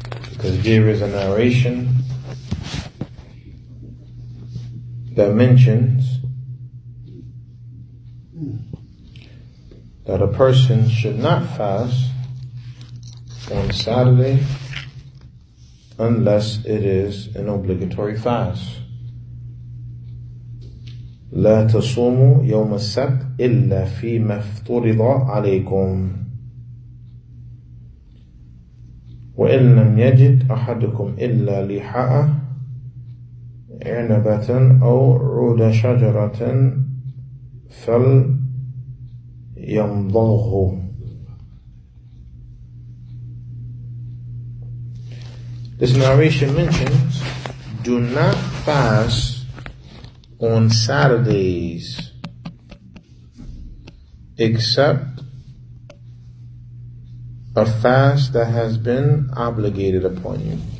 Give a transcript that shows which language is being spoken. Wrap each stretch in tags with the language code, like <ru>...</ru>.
<en>Because here is a narration that mentions that a person should not fast on Saturday unless it is an obligatory fast.</en> <ar>لا تصوموا يوم السبت إلا فيما افترض عليكم وإن لم يجد أحدكم إلا لحاء عنبة أو عود شجرة فليمضغه.</ar> <en>This narration mentions, do not fast on Saturdays except a fast that has been obligated upon you.</en>